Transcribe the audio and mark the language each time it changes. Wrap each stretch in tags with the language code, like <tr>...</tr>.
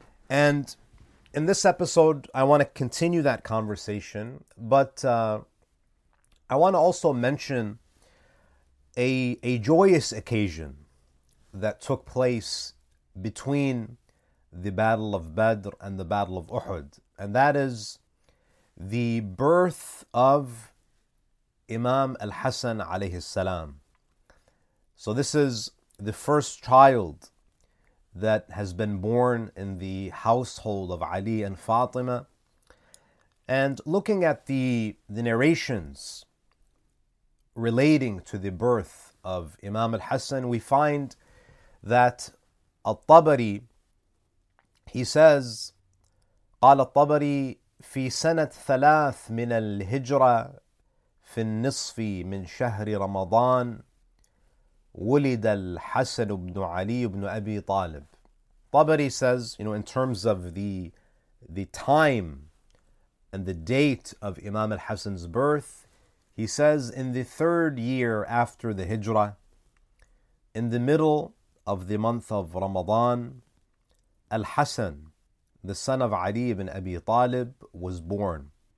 <en>And in this episode, I want to continue that conversation, but I want to also mention a joyous occasion that took place between the Battle of Badr and the Battle of Uhud, and that is the birth of Imam al-Hasan alayhi salam. So this is the first child that has been born in the household of Ali and Fatima. And looking at the narrations relating to the birth of Imam al-Hasan, we find that al-Tabari, he says,</en> <ar>قال الطبري في سنة ثلاث من الهجرة في النصف من شهر رمضان ولد الحسن بن علي بن أبي طالب.</ar> <en>Tabari says, you know, in terms of the time and the date of Imam al-Hasan's birth, he says, in the third year after the Hijrah, in the middle of the month of Ramadan, al-Hasan, the son of Ali ibn Abi Talib, was born.</en>